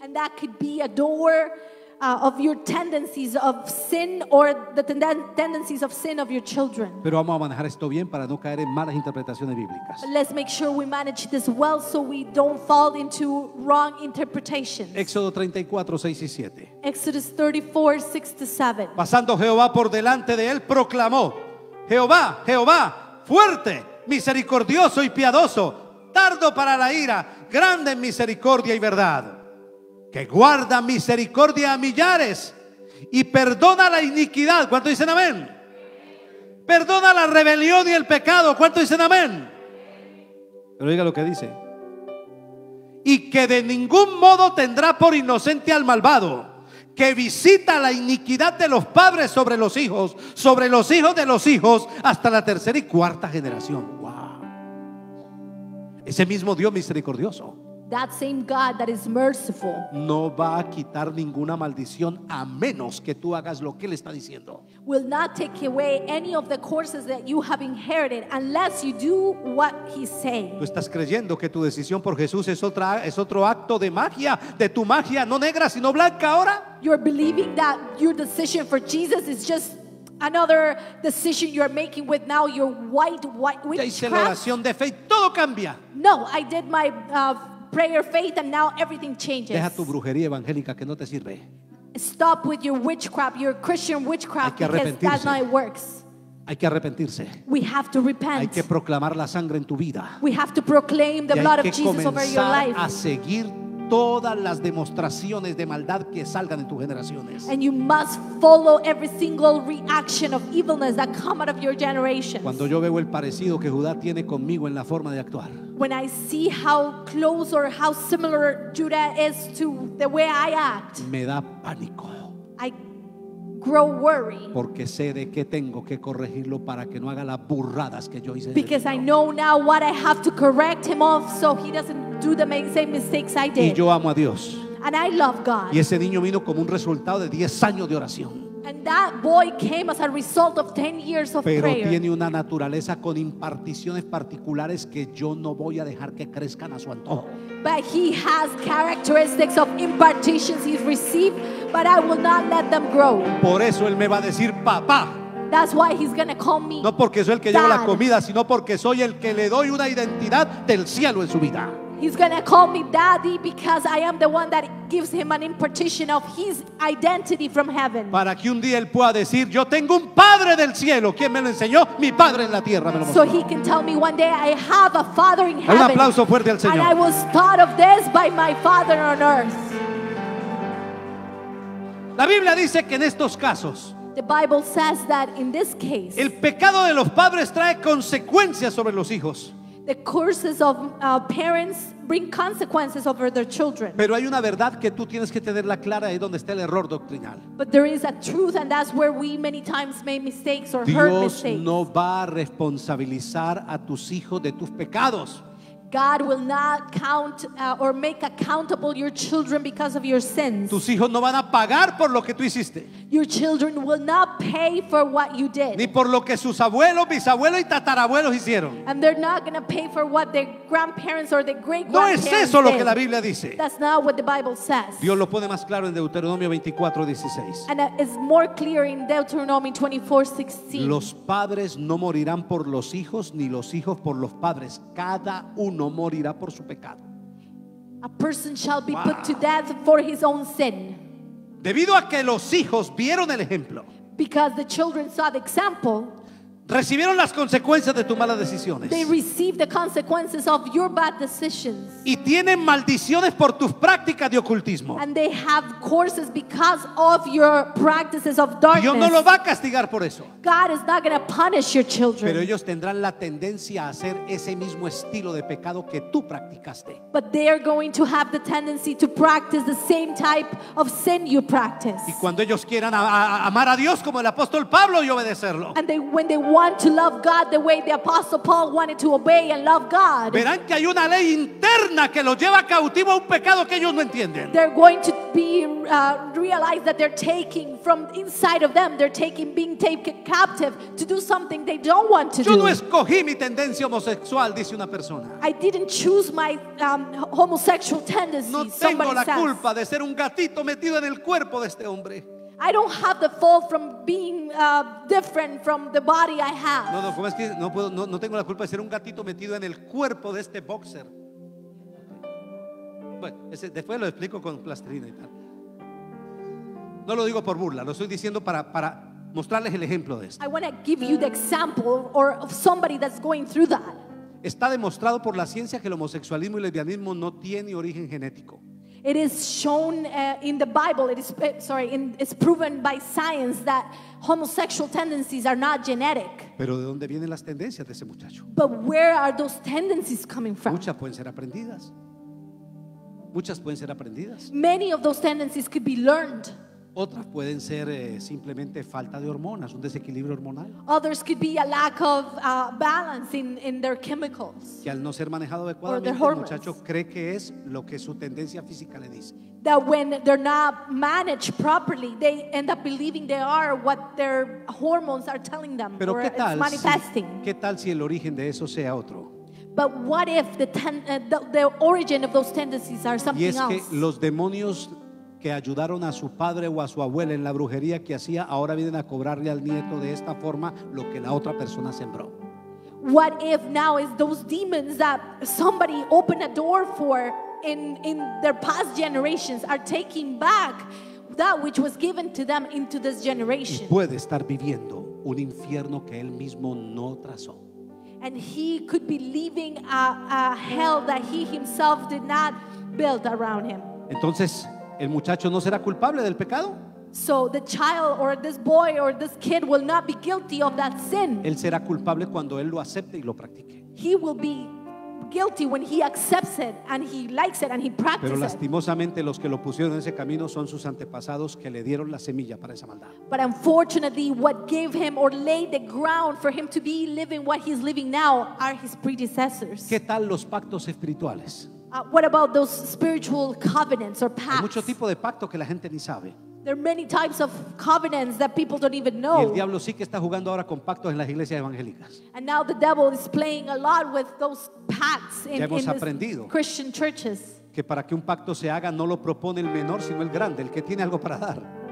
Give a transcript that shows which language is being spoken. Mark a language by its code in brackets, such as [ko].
[en] And that could be a door of your tendencies of sin or the tendencies of sin of your children. [es] Pero vamos a manejar esto bien para no caer en malas interpretaciones bíblicas. [en] Let's make sure we manage this well so we don't fall into wrong interpretations. [es] Éxodo 34, 6 y 7. [en] Exodus 34, 6 to 7. [es] Pasando Jehová por delante de él, proclamó: Jehová, Jehová, fuerte, misericordioso y piadoso, tardo para la ira, grande en misericordia y verdad, que guarda misericordia a millares y perdona la iniquidad. ¿Cuánto dicen amén? Perdona la rebelión y el pecado. ¿Cuánto dicen amén? Pero oiga lo que dice: y que de ningún modo tendrá por inocente al malvado, que visita la iniquidad de los padres sobre los hijos de los hijos, hasta la tercera y cuarta generación. Wow. Ese mismo Dios misericordioso. [en] That same God that is merciful. [es] No va a quitar ninguna maldición a menos que tú hagas lo que él está diciendo. [en] Will not take away any of the curses that you have inherited unless you do what he's saying. [es] Tú estás creyendo que tu decisión por Jesús es otro acto de magia, de tu magia, no negra sino blanca ahora. [en] You're believing that your decision for Jesus is just another decision you're making with now your witchcraft. [es] Ya hice la oración de fe, todo cambia. [en] No, I did my prayer faith and now everything changes. [es] Deja tu brujería evangélica que no te sirve. [en] Stop with your witchcraft, your Christian witchcraft, because that's not works. [es] Hay que arrepentirse. [en] We have to repent. [es] Hay que proclamar la sangre en tu vida. [en] We have to proclaim the blood of Jesus over your life. [es] A seguir todas las demostraciones de maldad que salgan en tus generaciones. [en] And you must follow every single reaction of evilness that come out of your generations. [es] Cuando yo veo el parecido que Judá tiene conmigo en la forma de actuar. [en] When I see how close or how similar Judah is to the way I act. [es] Me da pánico. [en] I grow worried. [es] Porque sé de qué tengo que corregirlo para que no haga las burradas que yo hice. [en] Because I know now what I have to correct him of so he doesn't do the same mistakes I did. [es] Y yo amo a Dios. [en] And I love God. [es] Y ese niño vino como un resultado de 10 años de oración. [en] And that boy came as a result of 10 years of [es] Pero [en] prayer. [es] Tiene una naturaleza con imparticiones particulares que yo no voy a dejar que crezcan a su antojo. [en] But he has characteristics of impartitions he's received, but I will not let them grow. [es] Por eso él me va a decir papá. [en] That's why he's going to call me. [es] No porque soy el que lleva la comida, sino porque soy el que le doy una identidad del cielo en su vida. [en] He's going to call me daddy because I am the one that gives him an impartition of his identity from heaven. [es] Para que un día él pueda decir, yo tengo un padre del cielo. ¿Quién me lo enseñó? Mi padre en la tierra me lo mostró. [en] So he can tell me one day, I have a father in heaven. [es] Un aplauso fuerte al Señor. [en] And I was taught of this by my father on earth. [es] La Biblia dice que en estos casos, [en] the Bible says that in this case, [es] el pecado de los padres trae consecuencias sobre los hijos. [en] The curses of parents bring consequences over their children. [es] Pero hay una verdad que tú tienes que tenerla clara, ahí donde está el error doctrinal. [en] But there is a truth, and that's where we many times make mistakes or [es] Dios [en] hurt mistakes. [es] Dios no va a responsabilizar a tus hijos de tus pecados. [en] God will not count or make accountable your children because of your sins. [es] Tus hijos no van a pagar por lo que tú hiciste. [en] Your children will not pay for what you did. [es] Ni por lo que sus abuelos, bisabuelos y tatarabuelos hicieron. [en] And they're not going to pay for what their grandparents or their great grandparents did. [es] No es eso lo que la Biblia dice. [en] That's not what the Bible says. [es] Dios lo pone más claro en Deuteronomio 24:16. [en] And it's more clear in Deuteronomy 24:16. [es] Los padres no morirán por los hijos ni los hijos por los padres. Cada uno morirá por su pecado. [en] A person shall be put to death for his own sin. [es] Debido a que los hijos vieron el ejemplo. [en] Because the children saw the example. [es] Recibieron las consecuencias de tus malas decisiones. [en] They received the consequences of your bad decisions. [es] Y tienen maldiciones por tus prácticas de ocultismo. [en] And they have curses because of your practices of darkness. [es] Dios no lo va a castigar por eso. [en] God is not going to punish your children. [es] Pero ellos tendrán la tendencia a hacer ese mismo estilo de pecado que tú practicaste. [en] But they are going to have the tendency to practice the same type of sin you practice. [es] Y cuando ellos quieran amar a Dios como el apóstol Pablo y obedecerlo. [en] And when they want to love God the way the apostle Paul wanted to obey and love God. [es] Verán que hay una ley interna que los lleva cautivo a un pecado que ellos no entienden. [en] They're going to be realize that they're taking from inside of them, they're taking being taken captive to do something they don't want to [es] Yo [en] do. [es] Yo no escogí mi tendencia homosexual, dice una persona. [en] I didn't choose my homosexual tendencies. [es] No tengo [en] somebody [es] la [en] says. [es] Culpa de ser un gatito metido en el cuerpo de este hombre. [en] I don't have the fault from being different from the body I have. [es] No, no, como es que no puedo, no tengo la culpa de ser un gatito metido en el cuerpo de este boxer. Bueno, ese, después lo explico con plastilina y tal. No lo digo por burla, lo estoy diciendo para mostrarles el ejemplo de esto. [en] I want to give you the example or of somebody that's going through that. [es] Está demostrado por la ciencia que el homosexualismo y el lesbianismo no tiene origen genético. [en] It is shown in the Bible, it's proven by science that homosexual tendencies are not genetic. [es] Pero ¿de dónde vienen las tendencias de ese muchacho? [en] But where are those tendencies coming from? [es] Muchas pueden ser aprendidas. Muchas pueden ser aprendidas. [en] Many of those tendencies could be learned. [es] Otras pueden ser simplemente falta de hormonas, un desequilibrio hormonal. [en] Others could be a lack of balance in their chemicals. [es] Que al no ser manejado adecuadamente, el muchacho cree que es lo que su tendencia física le dice. [en] That when they're not managed properly, they end up believing they are what their hormones are telling them. [es] Pero [en] or [es] ¿qué tal [en] it's manifesting. [es] ¿Qué tal si el origen de eso sea otro? [en] But what if the origin of those tendencies are something else? [es] Y es que los demonios que ayudaron a su padre o a su abuela en la brujería que hacía, ahora vienen a cobrarle al nieto de esta forma lo que la otra persona sembró. [en] What if now is those demons that somebody opened a door for in their past generations are taking back that which was given to them into this generation? [es] Y puede estar viviendo un infierno que él mismo no trazó. [en] And he could be living a hell that he himself did not build around him. [es] Entonces, el muchacho no será culpable del pecado. [en] So the child or this boy or this kid will not be guilty of that sin. [es] Él será culpable cuando él lo acepte y lo practique. [en] He will be guilty when he accepts it and he likes it and he practices it. [es] Pero lastimosamente los que lo pusieron en ese camino son sus antepasados que le dieron la semilla para esa maldad. [en] But unfortunately what gave him or laid the ground for him to be living what he's living now are his predecessors. [es] ¿Qué tal los pactos espirituales? [en] What about those spiritual covenants or pacts? [es] Hay mucho tipo de pacto que la gente ni sabe. [en] There are many types of covenants that people don't even know. [es] Y el diablo sí que está jugando ahora con pactos en las iglesias evangélicas. [en] And now the devil is playing a lot with those pacts in, [es] ya hemos aprendido [en] Christian churches. [es] Que para que un pacto se haga no lo propone el menor sino el grande, el que tiene algo para dar.